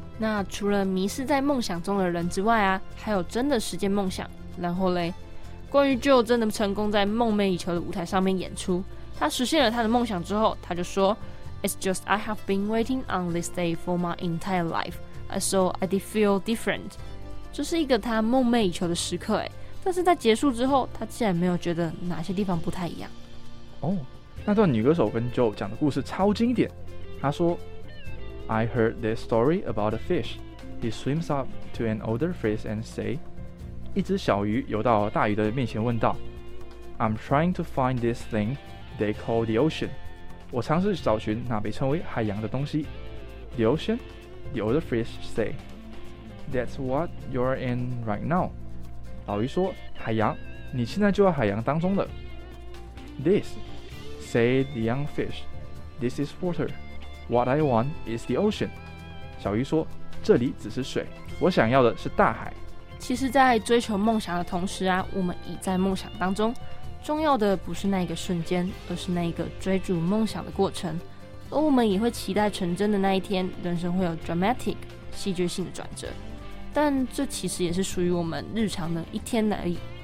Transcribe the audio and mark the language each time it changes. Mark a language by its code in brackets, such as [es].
[zh] 那除了迷失在梦想中的人之外啊，还有真的实践梦想，然后勒，关于 Joe 真的成功在梦寐以求的舞台上面演出，他实现了他的梦想之后，他就说 It's just I have been waiting on this day for my entire life, so I did feel different. 这是一个他梦寐以求的时刻，但是在结束之后，他竟然没有觉得哪些地方不太一样。哦，那段女歌手跟 Joe 讲的故事超经典。 [en] 他说 I heard this story about a fish. He swims up to an older fish and say, 一只小鱼游到大鱼的面前问道 I'm trying to find this thing they call the ocean. [zh] 我尝试找寻那被称为海洋的东西。 [en] The ocean? The older fish say, That's what you're in right now. [zh] 老鱼说海洋，你现在就在海洋当中了。 [en] This, say the young fish, This is water. What I want is the ocean. [zh] 小鱼说这里只是水，我想要的是大海。其实在追求梦想的同时啊，我们已在梦想当中，重要的不是那一个瞬间，而是那一个追逐梦想的过程。而我们也会期待成真的那一天，人生会有 dramatic 戏剧性的转折，但这其实也是属于我们日常的一天而已。